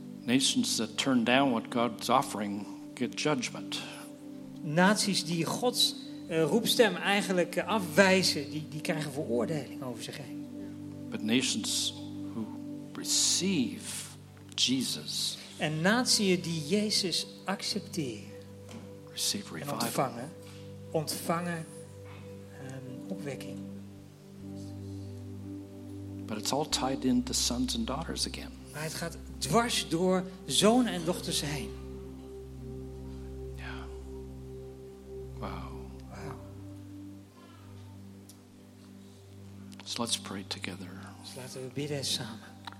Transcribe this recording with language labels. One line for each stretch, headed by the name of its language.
English: Nations that turn down what God's offering get judgment.
Dutch: Naties die Gods roepstem eigenlijk afwijzen, die krijgen veroordeling over zich heen.
English: But nations who receive Jesus.
Dutch: En naties die Jezus accepteren.
English: Receive revival.
Dutch: En ontvangen opwekking.
English: But it's all tied into sons and daughters again.
Dutch: Maar het gaat dwars door zoon en dochters heen.
English: Yeah. Wow. So let's pray together.
Dutch: Dus laten we bidden samen.